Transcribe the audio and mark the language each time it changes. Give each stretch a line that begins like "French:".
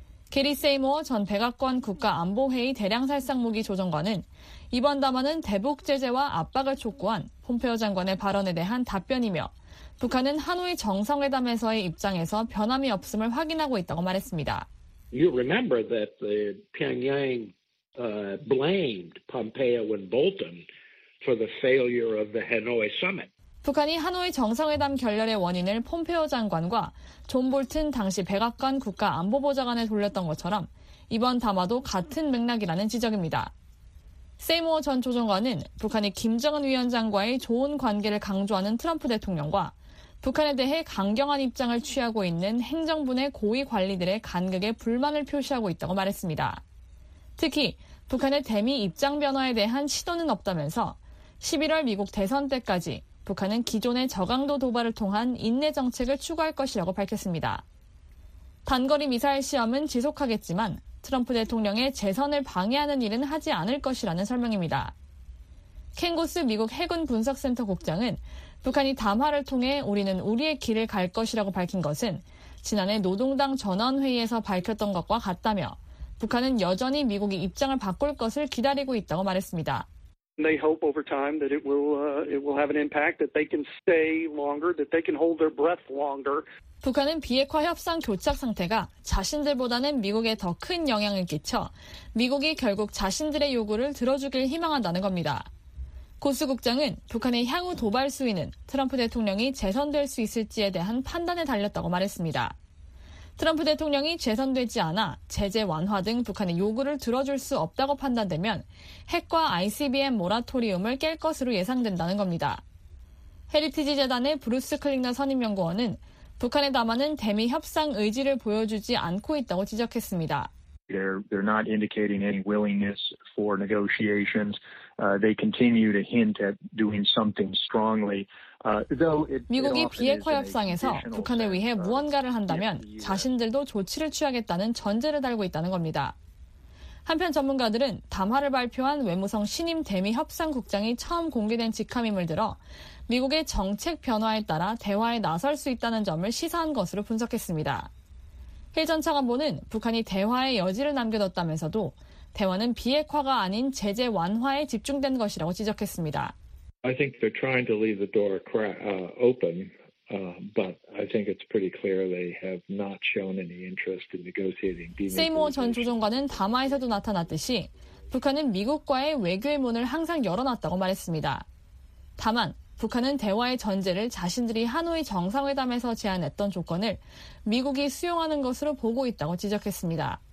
Korean: 게리 세이모어 전 백악관 국가안보회의 대량살상무기 조정관은 이번 담화는 대북 제재와 압박을 촉구한 폼페오 장관의 발언에 대한 답변이며 북한은 하노이 정상회담에서의 입장에서 변함이 없음을 확인하고 있다고 말했습니다.
English: You remember that the Pyongyang blamed Pompeo and Bolton for the failure of the Hanoi summit.
Korean: 북한이 하노이 정상회담 결렬의 원인을 폼페오 장관과 존 볼튼 당시 백악관 국가안보보좌관에 돌렸던 것처럼 이번 담화도 같은 맥락이라는 지적입니다. 세이모어 전 조정관은 북한이 김정은 위원장과의 좋은 관계를 강조하는 트럼프 대통령과 북한에 대해 강경한 입장을 취하고 있는 행정부 내 고위 관리들의 간극에 불만을 표시하고 있다고 말했습니다. 특히 북한의 대미 입장 변화에 대한 시도는 없다면서 11월 미국 대선 때까지 북한은 기존의 저강도 도발을 통한 인내 정책을 추구할 것이라고 밝혔습니다. 단거리 미사일 시험은 지속하겠지만 트럼프 대통령의 재선을 방해하는 일은 하지 않을 것이라는 설명입니다. 켄고스 미국 해군 분석센터 국장은 북한이 담화를 통해 우리는 우리의 길을 갈 것이라고 밝힌 것은 지난해 노동당 전원회의에서 밝혔던 것과 같다며 북한은 여전히 미국이 입장을 바꿀 것을 기다리고 있다고 말했습니다.
English: They hope over time that it will have an impact, that they can stay longer, that they can hold their breath longer.
Korean: 북한은 비핵화 협상 교착 상태가 자신들보다는 미국에 더 큰 영향을 끼쳐 미국이 결국 자신들의 요구를 들어주길 희망한다는 겁니다. 고스 국장은 북한의 향후 도발 수위는 트럼프 대통령이 재선될 수 있을지에 대한 판단에 달렸다고 말했습니다. 트럼프 대통령이 재선되지 않아 제재 완화 등 북한의 요구를 들어줄 수 없다고 판단되면 핵과 ICBM 모라토리움을 깰 것으로 예상된다는 겁니다. 헤리티지 재단의 브루스 클링너 선임연구원은 북한의 담화는 대미 협상 의지를 보여주지 않고 있다고 지적했습니다.
English: They're not indicating any willingness for negotiations. They continue to hint at doing something strongly.
Korean: 미국이 비핵화 협상에서 북한을 위해 무언가를 한다면 자신들도 조치를 취하겠다는 전제를 달고 있다는 겁니다. 한편 전문가들은 담화를 발표한 외무성 신임 대미 협상 국장이 처음 공개된 직함임을 들어 미국의 정책 변화에 따라 대화에 나설 수 있다는 점을 시사한 것으로 분석했습니다. 힐 전 차관보는 북한이 대화의 여지를 남겨뒀다면서도 대화는 비핵화가 아닌 제재 완화에 집중된 것이라고 지적했습니다.
English: I think they're trying to leave the door open, but I think it's pretty clear they have not shown any interest in negotiating.
Korean: 세이모어 전 조정관은 담화에서도 나타났듯이 북한은 미국과의 외교의 문을 항상 열어놨다고 말했습니다. 다만 북한은 대화의 전제를 자신들이 하노이 정상회담에서 제안했던 조건을 미국이 수용하는 것으로 보고 있다고 지적했습니다.